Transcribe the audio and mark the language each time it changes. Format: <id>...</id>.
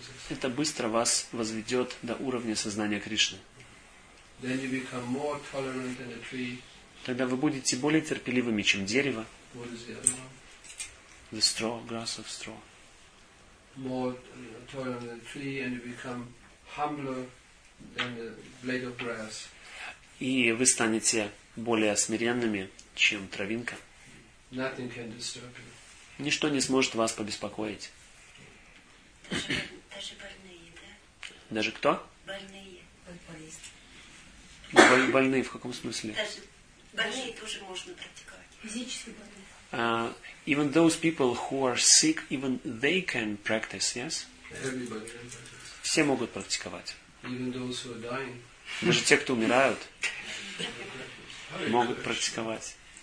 <ru>Это быстро вас возведет до уровня сознания Кришны. Тогда вы будете более терпеливыми, чем дерево.</ru> <en>The straw, grass of straw. More tolerant than a tree, and you become humbler than a blade of grass.</en> <ru>И вы станете более смиренными, чем травинка.</ru> <en>Nothing can disturb you.</en> <ru>Ничто не сможет вас побеспокоить. Даже больные, да? Даже кто? Больные. Больные в каком смысле? Даже больные тоже можно практиковать. Физически больные.</ru> <en>Even those people who are sick, even they can practice, yes? Everybody.</en> <ru>Все могут практиковать.</ru> <en>Even those who are dying.</en> <ru>Даже те, кто умирают, могут практиковать.</ru>